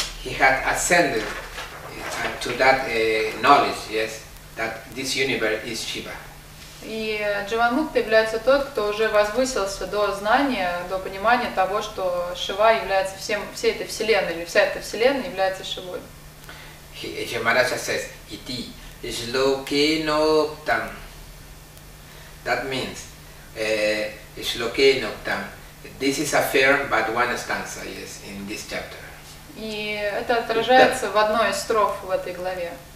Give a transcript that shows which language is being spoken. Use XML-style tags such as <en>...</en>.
<en>He had ascended to that knowledge, yes, that this universe is Shiva.</en> <ru>И Дживанмукта является тот, кто уже возвысился до знания, до понимания того, что Шива является всей этой вселенной, или вся эта вселенная является Шивой.</ru> <en>Кшамараджа says,</en> <sa>iti shlokenoktam.</sa> <en>That means, shlokenoktam. This is affirmed but one stanza, yes, in this chapter.</en> <ru>И это отражается в одной из строф в этой главе.</ru>